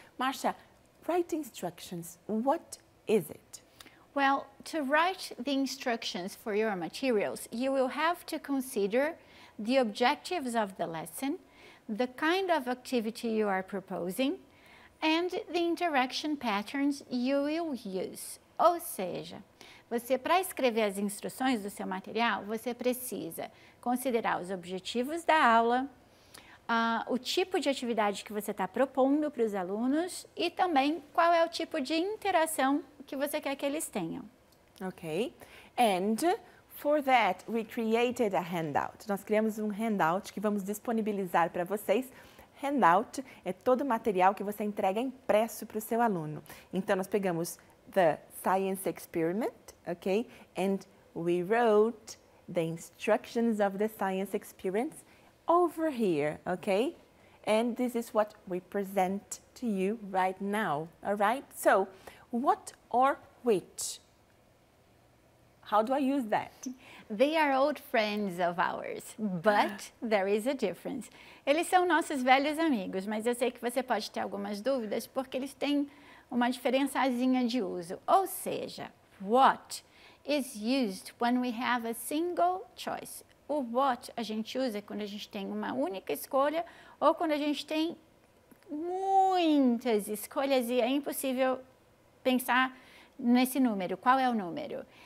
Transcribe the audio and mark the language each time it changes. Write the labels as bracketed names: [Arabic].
[English] Marcia, write instructions, what is it? Well, to write the instructions for your materials, you will have to consider the objectives of the lesson, the kind of activity you are proposing, and the interaction patterns you will use. [Portuguese] Ou seja, você, para escrever as instruções do seu material, você precisa considerar os objetivos da aula, o tipo de atividade que você está propondo para os alunos e também qual é o tipo de interação que você quer que eles tenham. [English] Okay. And for that, we created a handout. [Portuguese] Nós criamos handout que vamos disponibilizar para vocês. Handout é todo o material que você entrega impresso para o seu aluno. Então, nós pegamos [English] the science experiment, okay? And we wrote the instructions of the science experiment over here, okay? And this is what we present to you right now, all right? So, what or which? How do I use that? They are old friends of ours, but there is a difference. [Portuguese] Eles são nossos velhos amigos, mas eu sei que você pode ter algumas dúvidas porque eles têm uma diferençazinha de uso. Ou seja, [English] what is used when we have a single choice. [Portuguese] O what a gente usa quando a gente tem uma única escolha ou quando a gente tem muitas escolhas e é impossível pensar nesse número. Qual é o número?